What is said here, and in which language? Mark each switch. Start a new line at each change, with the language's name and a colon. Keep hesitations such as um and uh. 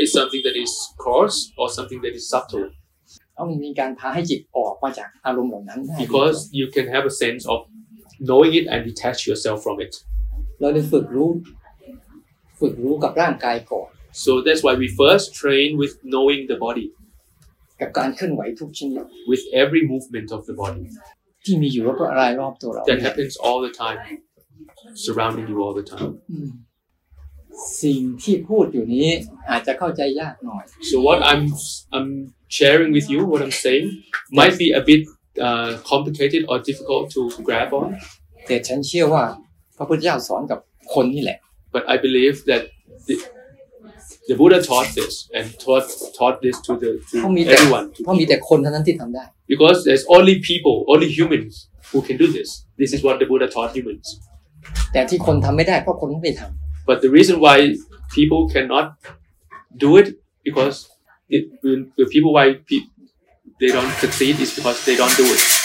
English: it's something that is coarse or something that is subtle
Thai: ต้องมีการพาให้จิตออกมาจากอารมณ์เหล่านั้น
English: because you can have a sense of knowing it and detach yourself from it
Thai: เราได้ฝึกรู้ฝึกรู้กับร่างกายก่อน
English: so that's why we first train with knowing the body
Thai: กับการเคลื่อนไหวทุกชนิด
English: with every movement of the body
Thai: ที่มีอยู่รอบรายรอบตัวเรา
English: that happens all the time surrounding you all the time mm.
Thai: สิ่งที่พูดอยู่นี้ อาจจะเข้าใจยากหน่อย
English: so what I'm I'm sharing with you what I'm saying might be a bit uh, complicated or difficult to grab on
Thai: แต่ฉันเชื่อว่าพระพุทธเจ้าสอนกับคนนี่แหละ
English: but I believe that the, the Buddha taught this and taught taught this to the to everyone เ
Thai: พราะมีแต่คนเท่านั้นที่ทำได้
English: because there's only people only humans who can do this this is what the Buddha taught humans
Thai: แต่ที่คนทำไม่ได้เพราะคนไม่ทำ
English: But the reason why people cannot do it because the people why people, they don't succeed is because they don't do it.